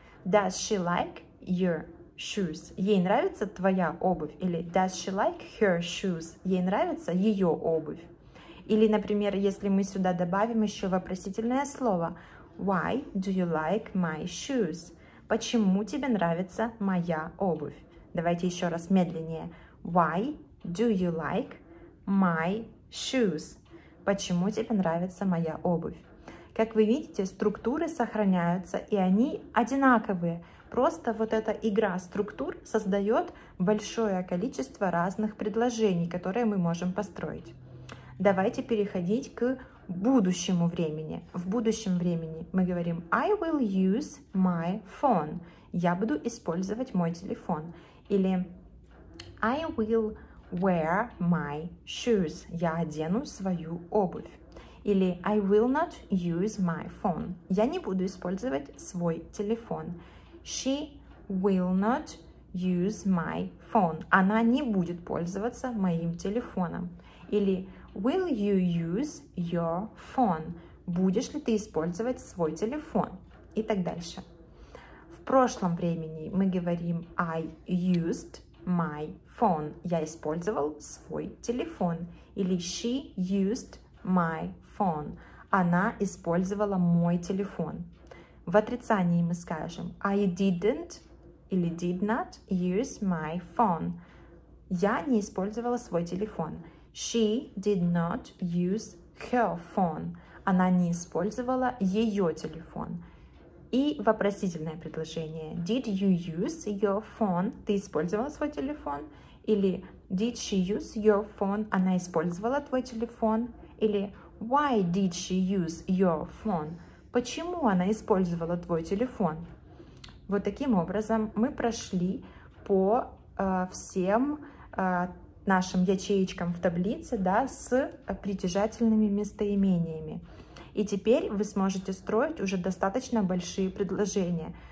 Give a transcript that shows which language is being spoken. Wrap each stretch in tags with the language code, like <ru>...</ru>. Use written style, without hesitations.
<en>Does she like your shoes?</en> <ru>Ей нравится твоя обувь?</ru> <en>Или does she like her shoes?</en> <ru>Ей нравится ее обувь? Или, например, если мы сюда добавим еще вопросительное слово.</ru> <en>Why do you like my shoes?</en> <ru>Почему тебе нравится моя обувь? Давайте еще раз медленнее.</ru> <en>Why do you like my shoes?</en> <ru>Почему тебе нравится моя обувь? Как вы видите, структуры сохраняются, и они одинаковые. Просто вот эта игра структур создает большое количество разных предложений, которые мы можем построить. Давайте переходить к будущему времени. В будущем времени мы говорим</ru> <en>I will use my phone.</en> <ru>Я буду использовать мой телефон.</ru> <en>Или I will wear my shoes.</en> <ru>Я одену свою обувь.</ru> <en>Или I will not use my phone.</en> <ru>Я не буду использовать свой телефон.</ru> <en>She will not use my phone.</en> <ru>Она не будет пользоваться моим телефоном.</ru> <en>Или will you use your phone?</en> <ru>Будешь ли ты использовать свой телефон? И так дальше. В прошлом времени мы говорим</ru> <en>I used my phone.</en> <ru>Я использовал свой телефон.</ru> <en>Или she used my phone.</en> <ru>Она использовала мой телефон. В отрицании мы скажем</ru> <en>I didn't или did not use my phone.</en> <ru>Я не использовала свой телефон.</ru> <en>She did not use her phone.</en> <ru>Она не использовала ее телефон. И вопросительное предложение.</ru> <en>Did you use your phone?</en> <ru>Ты использовала свой телефон?</ru> <en>Или did she use your phone?</en> <ru>Она использовала твой телефон?</ru> <en>Или why did she use your phone?</en> <ru>Почему она использовала твой телефон? Вот таким образом мы прошли по всем нашим ячеечкам в таблице, да, с притяжательными местоимениями. И теперь вы сможете строить уже достаточно большие предложения.</ru>